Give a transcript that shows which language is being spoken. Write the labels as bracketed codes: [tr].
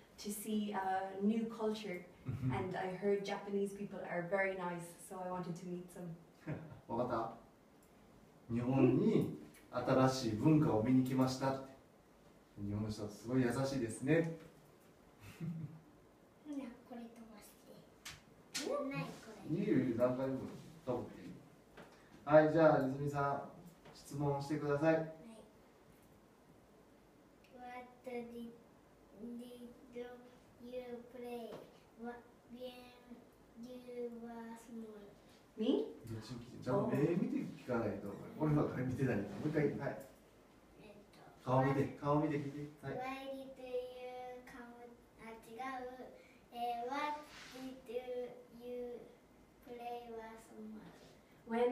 [en] To see a new culture, and I heard Japanese people are very nice, so I wanted to meet some. [ja] わかった。日本に新しい文化を見に来ましたって。日本の人はすごい優しいですね。これ飛ばして。ないこれ。いいよ、何回も飛ぶ。はい、じゃあ泉さん質問してください。はい。 [en] What did you play when you were small? Me? [ja] どっちも聞いて、じゃあ目見て聞かないと、俺は顔見てないから、もう一回、はい。顔見て、顔見て聞いて、はい。 [en] Why did you come? [ja] あ、違う。 [en] What did you play when you were small?